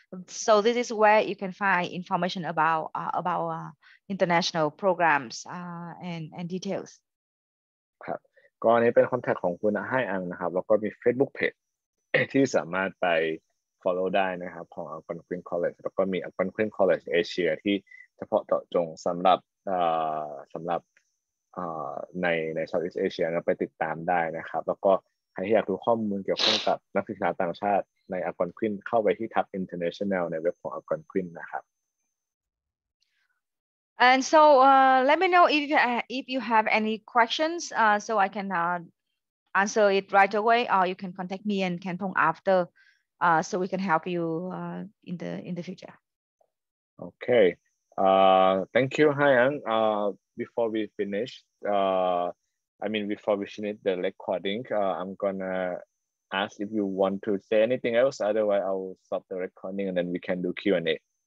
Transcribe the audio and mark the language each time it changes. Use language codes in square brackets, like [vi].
[en] So this is where you can find information about international programs and details. [th] ครับก็นี่เป็นคอนแทคของคุณให้อังนะครับแล้วก็มี Facebook page ที่สามารถไป follow ได้นะครับของ Algonquin College แล้วก็มี Algonquin College Asia ที่เฉพาะเจาะจงสำหรับใน Southeast Asia นะไปติดตามได้นะครับแล้วก็ใครที่อยากดูข้อมูลเกี่ยวข้องกับนักศึกษาต่างชาติใน Algonquin เข้าไปที่ tab international ในเว็บของ Algonquin นะครับ [en] And so let me know if you have any questions so I can answer it right away or you can contact me and Ken Pong after so we can help you in the future Okay thank you Haiyang before we finish before we finish the recording I'm gonna ask if you want to say anything else otherwise I'll stop the recording and then we can do Q&A